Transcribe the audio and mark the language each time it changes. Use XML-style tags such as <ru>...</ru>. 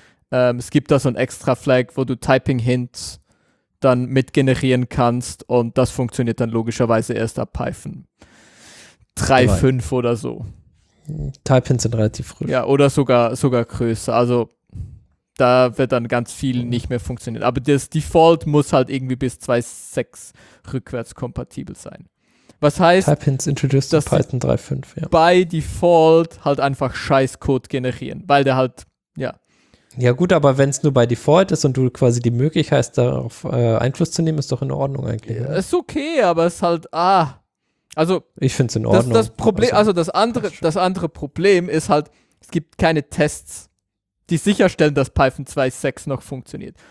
<de>Es gibt da so ein extra Flag, wo du Typing Hints dann mit generieren kannst und das funktioniert dann logischerweise erst ab Python 3.5 oder so. Type Hints sind relativ früh. Ja, oder sogar größer. Also da wird dann ganz viel nicht mehr funktionieren. Aber das Default muss halt irgendwie bis 2.6 rückwärts kompatibel sein. Was heißt,</de> <en>Type Hints introduced to Python 3.5,</en> <de>bei Default halt einfach scheiß Code generieren, weil der halt, Ja gut, aber wenn es nur bei Default ist und du quasi die Möglichkeit hast, darauf Einfluss zu nehmen, ist doch in Ordnung eigentlich. Ja, ist okay, aber es ist halt, also. Ich finde es in Ordnung. Das Problem, das andere Problem ist halt, es gibt keine Tests, die sicherstellen, dass Python 2.6 noch funktioniert.</de>